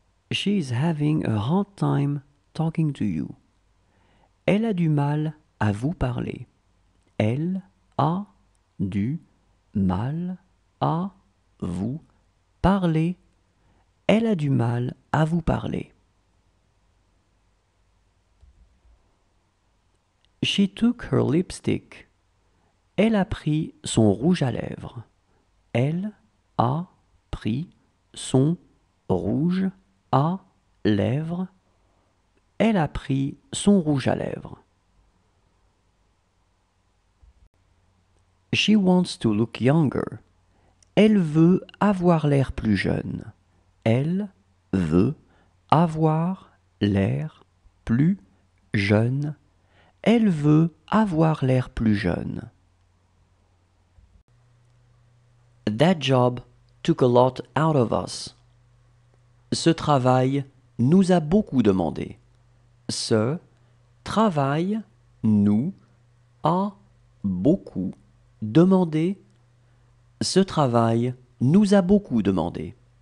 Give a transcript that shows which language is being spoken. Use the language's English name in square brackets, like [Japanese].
[English] She is having a hard time talking to you. [French] Elle a du mal à vous parler. Elle a du mal à vous parler. Elle a du mal à vous parler. [English] She took her lipstick. [French] Elle a pris son rouge à lèvres. Elle a pris son rouge à lèvres. Elle a pris son rouge à lèvres. [English] She wants to look younger. [French] Elle veut avoir l'air plus jeune. Elle veut avoir l'air plus jeune. Elle veut avoir l'air plus jeune. [English] That job took a lot out of us. [French] Ce travail nous a beaucoup demandé. Ce travail nous a beaucoup demandé. Ce travail nous a beaucoup demandé.